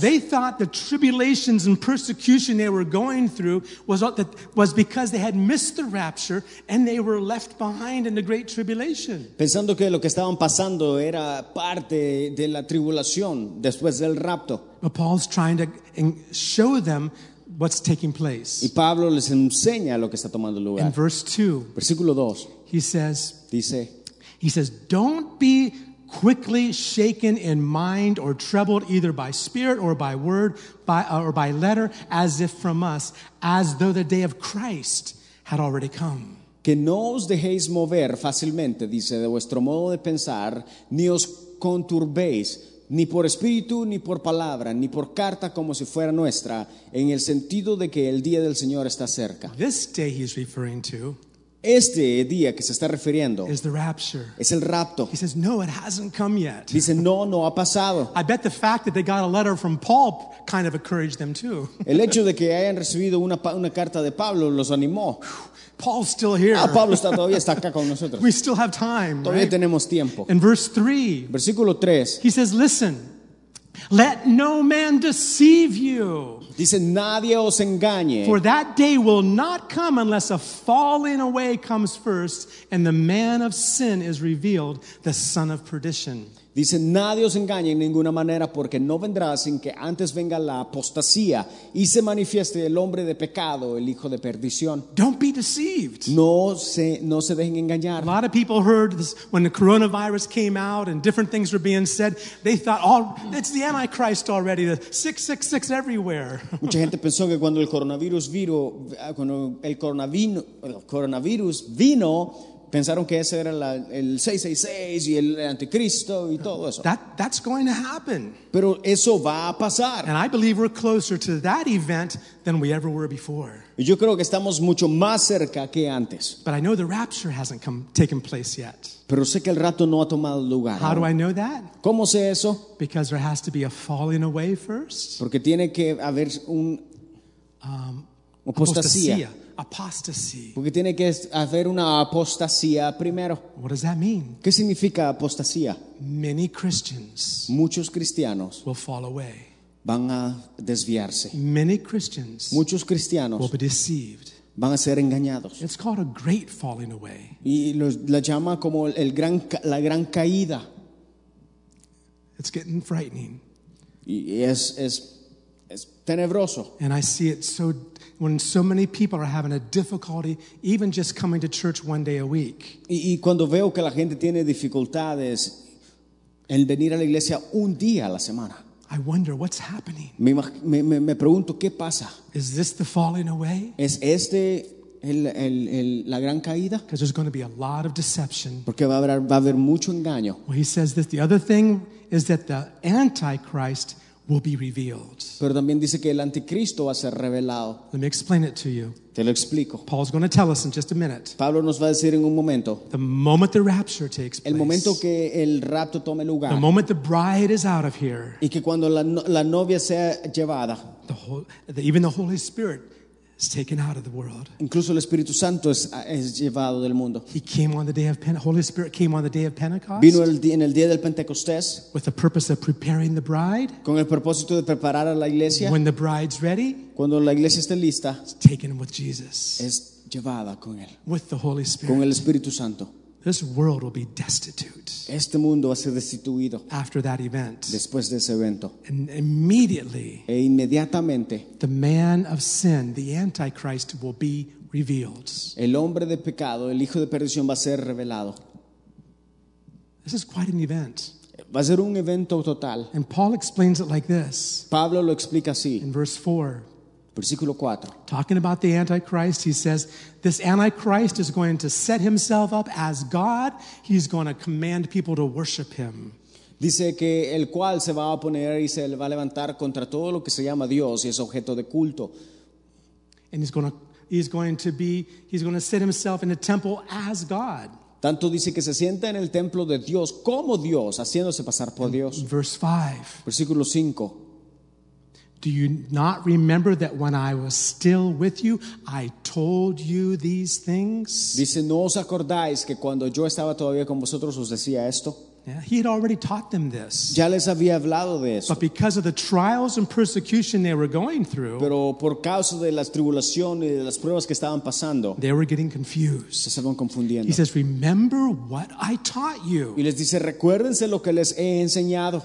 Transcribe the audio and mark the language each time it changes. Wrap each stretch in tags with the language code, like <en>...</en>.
<en>They thought the tribulations and persecution they were going through was because they had missed the rapture and they were left behind in the great tribulation.</en> <es>Pensando que lo que estaban pasando era parte de la tribulación después del rapto.</es> <en>But Paul's trying to show them what's taking place.</en> <es>Y Pablo les enseña lo que está tomando lugar.</es> <en>In verse 2,</en> <es>versículo 2,</es> <en>he says, don't be quickly shaken in mind or troubled either by spirit or by word or by letter as if from us, as though the day of Christ had already come.</en> <es>Que no os dejéis mover fácilmente, dice, de vuestro modo de pensar, ni os conturbéis, ni por espíritu, ni por palabra, ni por carta como si fuera nuestra, en el sentido de que el día del Señor está cerca.</es> <en>This day he's referring to,</en> <es>este día que se está refiriendo,</es> <en>is the rapture.</en> <es>Es el rapto.</es> <en>He says, no, it hasn't come yet.</en> <es>Dice, no, no ha pasado.</es> <en>I bet the fact that they got a letter from Paul kind of encouraged them too.</en> <es>El hecho de que hayan recibido una carta de Pablo los animó.</es> <en>Paul's still here.</en> <es>Ah, Pablo está, todavía está acá con nosotros.</es> <en>We still have time.</en> <es>Todavía</es> <en>right?</en> <es>tenemos tiempo.</es> <en>In verse 3,</en> <es>versículo 3,</es> <en>he says, listen, let no man deceive you.</en> <es>Dice, nadie os engañe.</es> <en>For that day will not come unless a falling away comes first and the man of sin is revealed, the son of perdition.</en> <es>Dice, nadie os engañe en ninguna manera porque no vendrá sin que antes venga la apostasía y se manifieste el hombre de pecado, el hijo de perdición.</es> <en>Don't be deceived.</en> <es>No se dejen engañar.</es> <en>A lot of people heard this when the coronavirus came out and different things were being said. They thought, oh, it's the Antichrist already, the 666 everywhere.</en> <es>Mucha gente pensó que cuando el coronavirus vino, pensaron que ese era el 666 y el anticristo y todo eso.</es> <en>That's going to happen.</en> <es>Pero eso va a pasar.</es> <en>And I believe we're closer to that event than we ever were before.</en> <es>Y yo creo que estamos mucho más cerca que antes.</es> <en>But I know the rapture hasn't taken place yet.</en> <es>Pero sé que el rapto no ha tomado lugar.</es> <en>How do I know that?</en> <es>¿Cómo sé eso?</es> <en>Because there has to be a falling away first.</en> <es>Porque tiene que haber un apostasía.</es> <en>Apostasy.</en> <es>Porque tiene que haber una apostasía primero.</es> <en>What does that mean?</en> <es>¿Qué significa apostasía?</es> <en>Many Christians.</en> <es>Muchos cristianos.</es> <en>Will fall away.</en> <es>Van a desviarse.</es> <en>Many Christians.</en> <es>Muchos cristianos.</es> <en>Will be deceived.</en> <es>van a ser engañados.</es> <en>It's called a great falling away.</en> <es>Y la llama como la gran caída.</es> <en>It's getting frightening.</en> <es>Y es tenebroso.</es> <en>And I see it so when so many people are having a difficulty even just coming to church one day a week.</en> <es>Y cuando veo que la gente tiene dificultades en venir a la iglesia un día a la semana.</es> <en>I wonder what's happening.</en> <es>Me pregunto qué pasa.</es> <en>Is this the falling away?</en> <es>¿Es este la gran caída?</es> <en>Because there's going to be a lot of deception.</en> <es>Porque va a haber mucho engaño.</es> <en>Well, he says this. The other thing is that the Antichrist will be revealed.</en> <es>Pero también dice que el anticristo va a ser revelado.</es> <en>Let me explain it to you.</en> <es>Te lo explico.</es> <en>Paul's going to tell us in just a minute.</en> <es>Pablo nos va a decir en un momento.</es> <en>The moment the rapture takes place.</en> <es>El momento que el rapto tome lugar.</es> <en>The moment the bride is out of here.</en> <es>Y que cuando la novia sea llevada.</es> <en>Even the Holy Spirit is taken out of the world.</en> <es>Incluso el Espíritu Santo es llevado del mundo.</es> <en>He came on the day of Holy Spirit came on the day of Pentecost.</en> <es>Vino el día del Pentecostés.</es> <en>With the purpose of preparing the bride.</en> <es>Con el propósito de preparar a la iglesia.</es> <en>When the bride's ready.</en> <es>Cuando la iglesia esté lista.</es> <en>It's taken with Jesus.</en> <es>Es llevada con él.</es> <en>With the Holy Spirit.</en> <es>Con el Espíritu Santo.</es> <en>This world will be destitute.</en> <es>Este mundo va a ser destituido.</es> <en>After that event.</en> <es>Después de ese evento.</es> <en>And immediately.</en> <es>E inmediatamente.</es> <en>The man of sin, the Antichrist, will be revealed.</en> <es>El hombre de pecado, el hijo de perdición, va a ser revelado.</es> <en>This is quite an event.</en> <es>Va a ser un evento total.</es> <en>And Paul explains it like this.</en> <es>Pablo lo explica así.</es> <en>In verse 4.</en> <es>Versículo 4.</es> <en>Talking about the Antichrist, he says, this Antichrist is going to set himself up as God. He's going to command people to worship him.</en> <es>Dice que el cual se va a poner y se va a levantar contra todo lo que se llama Dios y es objeto de culto.</es> <en>And he's going to set himself in the temple as God.</en> <es>Tanto dice que se sienta en el templo de Dios como Dios, haciéndose pasar por Dios.</es> <en>Verse 5.</en> <es>Versículo 5.</es> <en>Do you not remember that when I was still with you, I told you these things?</en> <es>Dice, ¿no os acordáis que cuando yo estaba todavía con vosotros os decía esto?</es> <en>Yeah, he had already taught them this.</en> <es>Ya les había hablado de esto.</es> <en>But because of the trials and persecution they were going through,</en> <es>pero por causa de las tribulaciones y de las pruebas que estaban pasando,</es> <en>they were getting confused.</en> <es>Se estaban confundiendo.</es> <en>He says, remember what I taught you.</en> <es>Y les dice, recuérdense lo que les he enseñado.</es>